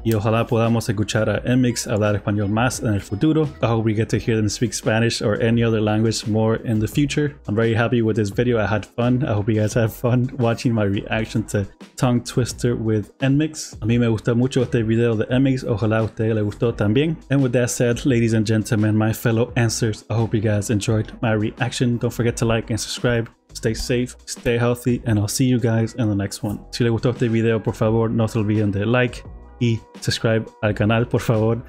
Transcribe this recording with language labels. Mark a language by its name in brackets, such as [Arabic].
[Spanish] Y ojalá podamos escuchar a NMIXX hablar español más en el futuro. [English] I hope we get to hear them speak Spanish or any other language more in the future. I'm very happy with this video. I had fun. I hope you guys had fun watching my reaction to Tongue Twister with NMIXX. [Spanish] A mí me gustó mucho este video de NMIXX. Ojalá a usted le gustó también. [English] And with that said, ladies and gentlemen, my fellow answers, I hope you guys enjoyed my reaction. Don't forget to like and subscribe. Stay safe, stay healthy, and I'll see you guys in the next one. [Spanish] Si le gustó este video, por favor, no se olviden de like y subscribe al canal, por favor.